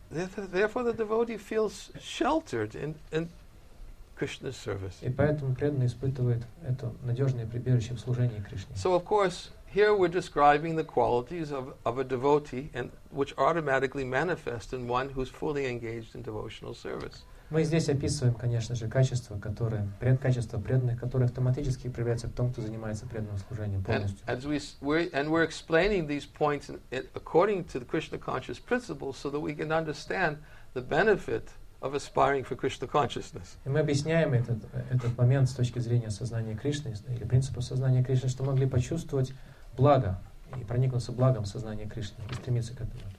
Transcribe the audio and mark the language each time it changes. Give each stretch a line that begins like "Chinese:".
English: Therefore, the devotee feels sheltered in Krishna's service.
Russian: И поэтому преданный испытывает это надежное прибежище в служении Кришне.
English: So, of course, here we're describing the qualities of a devotee and which automatically manifest in one who's fully engaged in devotional service.
Russian: Мы здесь описываем, конечно же, качества преданных, которые автоматически проявляются в том, кто занимается преданным служением полностью.
English: And we're explaining these points according to the Krishna conscious principles so that we can understand the benefit of aspiring for Krishna consciousness.
Russian: И мы объясняем этот момент с точки зрения сознания Кришны или принципа сознания Кришны, чтобы могли почувствовать благо и проникнуться благом сознания Кришны и стремиться к этому.